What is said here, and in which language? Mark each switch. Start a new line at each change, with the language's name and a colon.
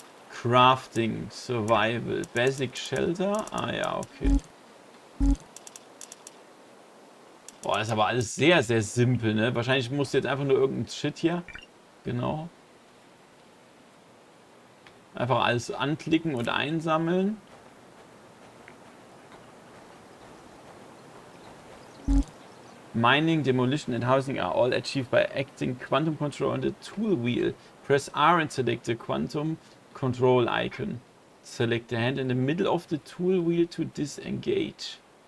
English: Crafting, survival, basic shelter.
German: Ah ja, okay. Boah, das ist aber alles sehr, sehr simpel, ne? Wahrscheinlich musst du jetzt einfach nur irgendein Shit hier. Genau. Einfach alles anklicken und einsammeln.
English: Mining, Demolition and Housing are all achieved by acting Quantum Control on the tool wheel. Press R and select the Quantum Control icon. Select the hand in the middle of the tool wheel to disengage.